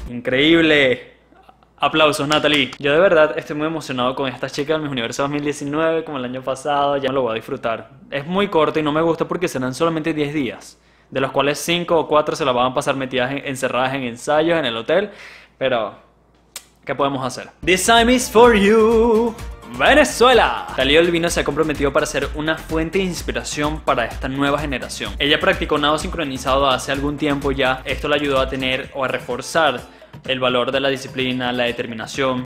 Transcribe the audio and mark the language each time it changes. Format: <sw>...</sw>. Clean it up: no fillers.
<es>¡Increíble! ¡Aplausos, Natalie! Yo de verdad estoy muy emocionado con esta chica del Miss Universo 2019, como el año pasado, ya lo voy a disfrutar. Es muy corto y no me gusta porque serán solamente 10 días, de los cuales 5 o 4 se la van a pasar metidas encerradas en ensayos, en el hotel, pero ¿qué podemos hacer?</es> <en>This time is for you, Venezuela.</en> <es>Talía Olivino se ha comprometido para ser una fuente de inspiración para esta nueva generación. Ella practicó nado sincronizado hace algún tiempo ya. Esto la ayudó a tener o a reforzar el valor de la disciplina, la determinación.</es>